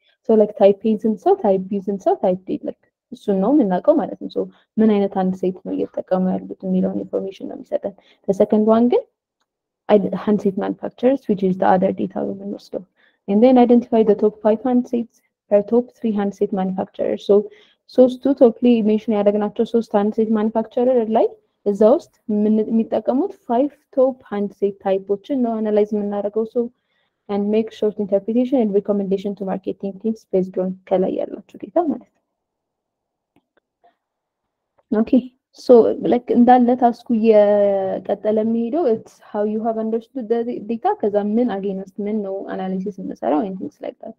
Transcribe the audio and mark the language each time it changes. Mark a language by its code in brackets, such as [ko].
[en] So like type A's and so type B's and so type D like [am] እሱ ነው የምናውቀው ማለት ነው። [en] So ምን አይነት handset [am] ነው እየተጠቀሙ ያሉት የሚለውን [en] information [am] ነው የሚሰጠን። [en] The second one ግን handset manufacturers which is the other data we will use. And then identify the top 5 handsets per top 3 handset manufacturers. [am] So ሶስቱ top three mention ያደረግናቸው ሶስት handset manufacturer ላይ እዛ ውስጥ የሚጠቀሙት ፋይቭ ቶፕ ሃንድሴት ታይፖችን ነው አናላይዝ የምናደርገው። ሶ [en] and make short interpretation and recommendation to marketing teams based on [am] ከላይ ያላችሁ ዴታ ማለት ነው። [en] ኦኬ ሶ ላይክ [am] እንዳለ ታስኩ የቀጠለ የሚሄደው [en] it's how you have understood the data ከዛ ምን against ምን ነው analysis እንሰራው and things like that.